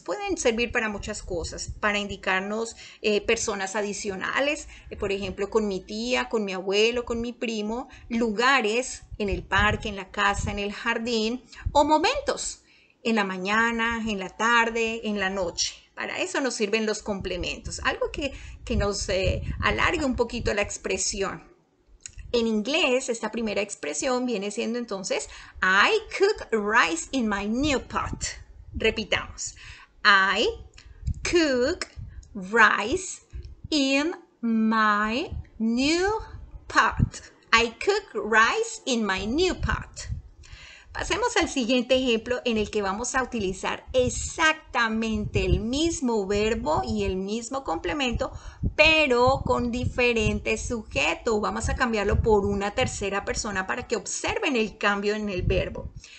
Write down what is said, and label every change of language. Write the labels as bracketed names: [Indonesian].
[Spanish] Pueden servir para muchas cosas, para indicarnos personas adicionales, por ejemplo, con mi tía, con mi abuelo, con mi primo, lugares en el parque, en la casa, en el jardín o momentos, en la mañana, en la tarde, en la noche. Para eso nos sirven los complementos, algo que nos alargue un poquito la expresión. En inglés, esta primera expresión viene siendo entonces, [English] I cook rice in my new pot. [Spanish] Repitamos, [English] I cook rice in my new pot. I cook rice in my new pot. [Spanish] Pasemos al siguiente ejemplo en el que vamos a utilizar exactamente el mismo verbo y el mismo complemento, pero con diferente sujeto. Vamos a cambiarlo por una tercera persona para que observen el cambio en el verbo.